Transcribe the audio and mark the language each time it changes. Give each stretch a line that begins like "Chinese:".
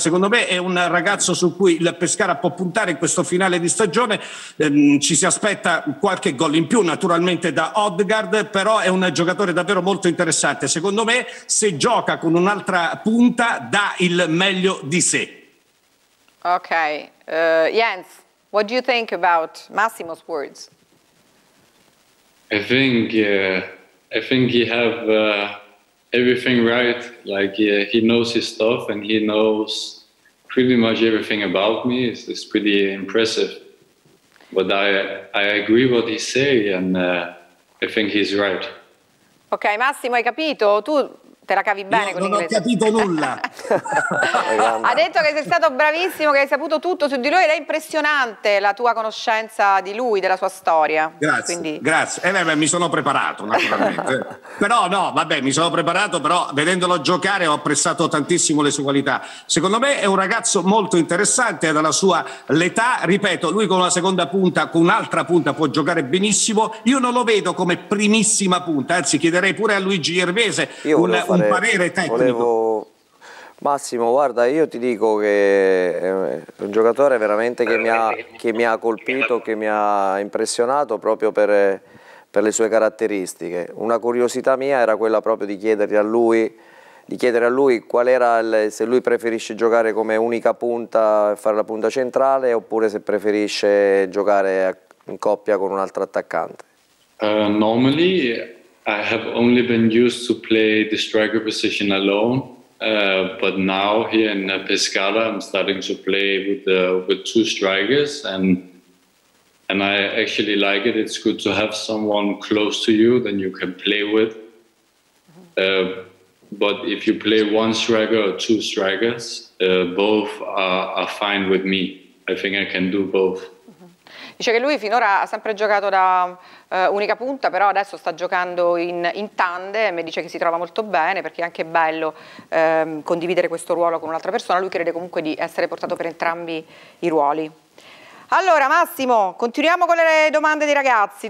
Italian: Secondo me è un ragazzo su cui il Pescara può puntare in questo finale di stagione, ci si aspetta qualche gol in più naturalmente da Odegaard, però è un giocatore davvero molto interessante, secondo me se gioca con un'altra punta dà il meglio di sé.
English: Ok, Jens, what do you think about Massimo's words? I think you have everything right, like he knows his stuff and he knows pretty much everything about me. It's pretty impressive, but I agree what he say and I think he's right.
Italian: Ok Massimo, hai capito? Tu te la cavi bene. Io con non l'inglese. Ho capito nulla. Ha detto che sei stato bravissimo, che hai saputo tutto su di lui ed è impressionante la tua conoscenza di lui, della sua storia. Grazie, quindi grazie. Beh, mi sono preparato naturalmente. Però no, vabbè, mi sono preparato, però vedendolo giocare ho apprezzato tantissimo le sue qualità. Secondo me è un ragazzo molto interessante dalla sua l'età, ripeto, lui con una seconda punta, con un'altra punta può giocare benissimo. Io non lo vedo come primissima punta, anzi chiederei pure a Luigi Gervese un parere tecnico. Volevo Massimo, guarda, io ti dico che è un giocatore veramente che mi ha colpito, che mi ha impressionato proprio per le sue caratteristiche. Una curiosità mia era quella proprio di chiedere a lui qual era se lui preferisce giocare come unica punta, fare la punta centrale, oppure se preferisce giocare in coppia con un altro attaccante.
English: Normally I have only been used to play the striker position alone, but now here in Pescara I'm starting to play with 2 strikers and I actually like it. It's good to have someone close to you that you can play with. But if you play 1 striker or 2 strikers, both are fine with me. I think I can do both.
Italian: Dice che lui finora ha sempre giocato da unica punta, però adesso sta giocando in tandem e dice che si trova molto bene, perché è anche bello condividere questo ruolo con un'altra persona. Lui crede comunque di essere portato per entrambi i ruoli. Allora Massimo, continuiamo con le domande dei ragazzi.